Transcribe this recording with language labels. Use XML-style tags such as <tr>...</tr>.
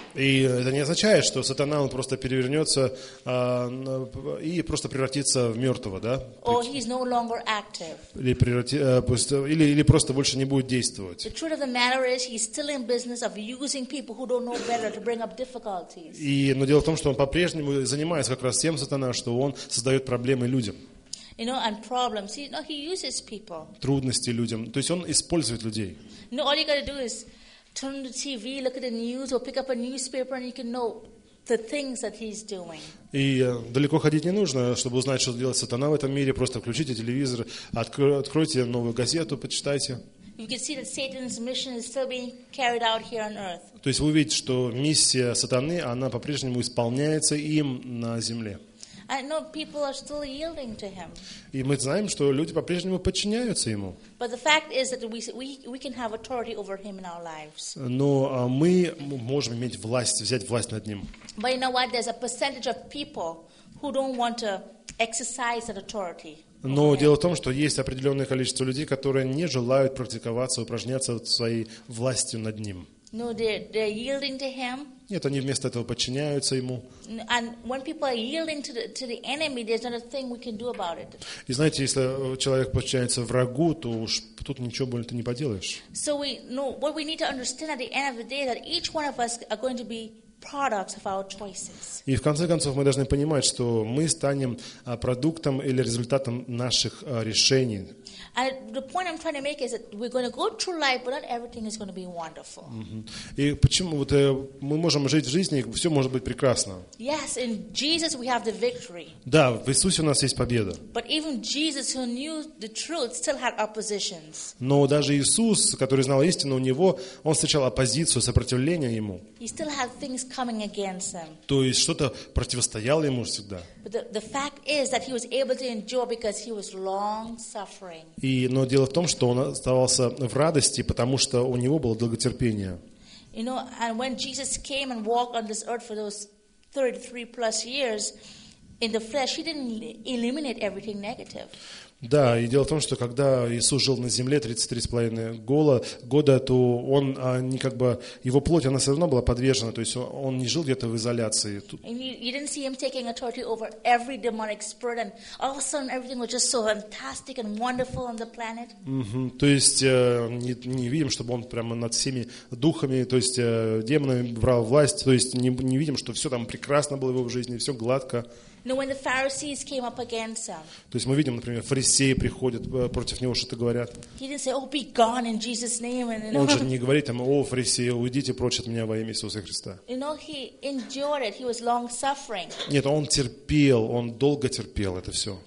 <ru>И это не означает, что сатана он просто перевернется и просто превратится в мертвого, да?</ru> <en>Or he's no longer active.</en> <ru>Или просто больше не будет действовать.</ru> <en>The truth of the matter is, he's still in business of using people who don't know better to bring up difficulties.</en> <ru>И но дело в том, что он по-прежнему занимается как раз тем сатана, что он создает проблемы людям.</ru> <en>You know, and problems. You know, he uses people.</en> <ru>Трудности людям. То есть он использует людей.</ru> <en>No, all you got to do is turn the TV, look at the news, or pick up a newspaper, and you can know the things that he's doing.</en> <ru>И далеко ходить не нужно, чтобы узнать, что делает сатана в этом мире. Просто включите телевизор, откройте новую газету, почитайте.</ru> <en>You can see that Satan's mission is still being carried out here on earth.</en> <ru>То есть вы видите, что миссия сатаны, она по-прежнему исполняется им на земле.</ru> <en>I know people are still yielding to him.</en> <ru>И мы знаем, что люди по-прежнему подчиняются ему.</ru> <en>But the fact is that we can have authority over him in our lives.</en> <ru>Но мы можем иметь власть, взять власть над ним.</ru> <en>But you know what? There's a percentage of people who don't want to exercise that authority.</en> <ru>Но дело в том, что есть определенное количество людей, которые не желают практиковаться, упражняться своей властью над ним.</ru> <en>No, they're yielding to him.</en> <ru>Нет, они вместо этого подчиняются ему.</ru> <en>And when people are yielding to the enemy, there's not a thing we can do about it.</en> <ru>И знаете, если человек подчиняется врагу, то уж тут ничего более-то не поделаешь.</ru> <en>So we know what we need to understand at the end of the day that each one of us are going to be products of our choices.</en> <ru>И в конце концов мы должны понимать, что мы станем продуктом или результатом наших решений.</ru> <en>And the point I'm trying to make is that we're going to go through life, but not everything is going to be wonderful.</en> <ru>И почему вот мы можем жить в жизни, все может быть прекрасно.</ru> <en>Yes, in Jesus we have the victory.</en> <ru>Да, в Иисусе у нас есть победа.</ru> <en>But even Jesus, who knew the truth, still had oppositions.</en> <ru>Но даже Иисус, который знал истину, у него он встречал оппозицию, сопротивление ему.</ru> <en>He still had things coming against him.</en> <ru>То есть что-то противостояло ему всегда.</ru> <en>But the fact is that he was able to endure because he was long suffering.</en> <ru>Но дело в том, что он оставался в радости, потому что у него было долготерпение.</ru> <en>You know, and when Jesus came and walked on this earth for those 33 plus years in the flesh, he didn't eliminate everything negative.</en> <ru>Да, и дело в том, что когда Иисус жил на земле 33,5 года, то он не как бы его плоть она все равно была подвержена, то есть он не жил где-то в изоляции.</ru> <en>You didn't see him taking authority over every demonic spirit, and all of a sudden everything was just so fantastic and wonderful on the planet.</en> <ru>То есть не видим, чтобы он прямо над всеми духами, то есть демонами брал власть, то есть не видим, что все там прекрасно было в его жизни, все гладко.</ru> <en>No, when the Pharisees came up against him.</en> <ru>То есть мы видим, например, фарисеи приходят против него, что-то говорят.</ru> <en>He didn't say, "Oh, be gone in Jesus' name." And, you know,</en> <ru>он же не говорит там, "О, фарисеи, уйдите прочь от меня во имя Иисуса Христа."</ru> <en>You know, he endured it. He was long-suffering.</en> <ru>Нет, он терпел, он долго терпел это все.</ru>